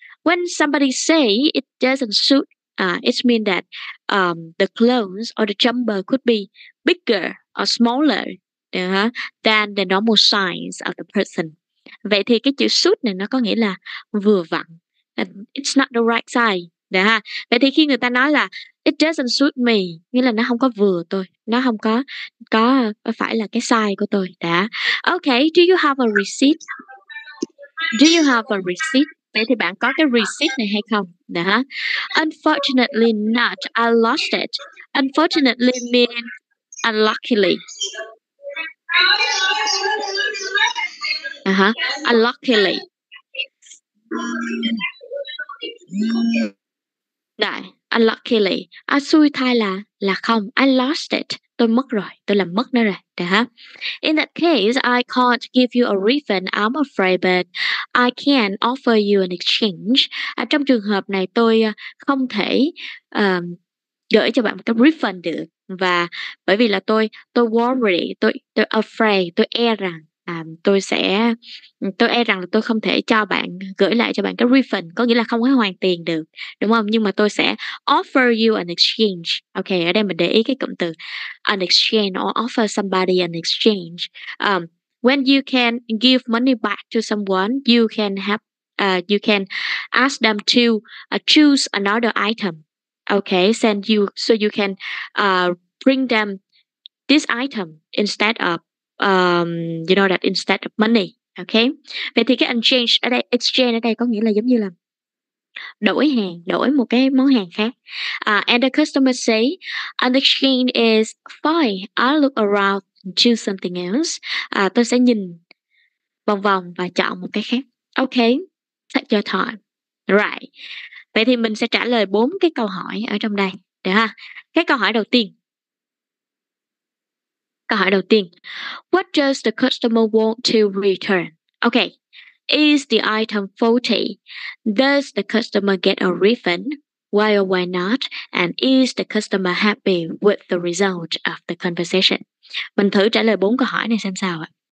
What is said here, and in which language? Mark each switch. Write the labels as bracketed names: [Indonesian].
[English] When somebody say it doesn't suit, it means that the clothes or the jumper could be bigger or smaller than the normal size of the person. [Vietnamese] Vậy thì cái chữ suit này nó có nghĩa là vừa vặn. [English] It's not the right size. [Vietnamese] Được ha? Vậy thì khi người ta nói là [English] it doesn't suit me, [Vietnamese] nghĩa là nó không có vừa tôi, nó không có phải là cái size của tôi. Đã. [English] Okay, do you have a receipt? Do you have a receipt? [Vietnamese] Vậy thì bạn có cái receipt này hay không? [English] Đã. Unfortunately not, I lost it. Unfortunately mean unluckily. Unluckily. [Vietnamese] Đấy, unluckily. Xui thai là không. [English] I lost it. [Vietnamese] Tôi mất rồi. Tôi làm mất nó rồi. Đấy, ha? [English] In that case, I can't give you a refund, I'm afraid, but I can offer you an exchange. [Vietnamese] Trong trường hợp này, tôi không thể gửi cho bạn một cái refund được. Và bởi vì là tôi worry, tôi afraid, tôi e rằng. Tôi e rằng là tôi không thể cho bạn gửi lại cho bạn cái refund, có nghĩa là không có hoàn tiền được, đúng không? Nhưng mà tôi sẽ [English] offer you an exchange. [Vietnamese] Ok, ở đây mình để ý cái cụm từ [English] an exchange or offer somebody an exchange. When you can give money back to someone, you can ask them to choose another item. Ok, send you so you can bring them this item instead of you know that instead of money, okay? [Vietnamese] Vậy thì cái exchange ở đây, có nghĩa là giống như là đổi hàng, đổi một cái món hàng khác. [English] And the customer say, an exchange is fine. I'll look around and choose something else. [Vietnamese] Tôi sẽ nhìn vòng vòng và chọn một cái khác. [English] Okay, take your time. Right. [Vietnamese] Vậy thì mình sẽ trả lời 4 cái câu hỏi ở trong đây. Được ha? Cái câu hỏi đầu tiên. Câu hỏi đầu tiên. [English] What does the customer want to return? Okay. Is the item faulty? Does the customer get a refund? Why or why not? And is the customer happy with the result of the conversation? [Vietnamese] Mình thử trả lời 4 câu hỏi này xem sao ạ.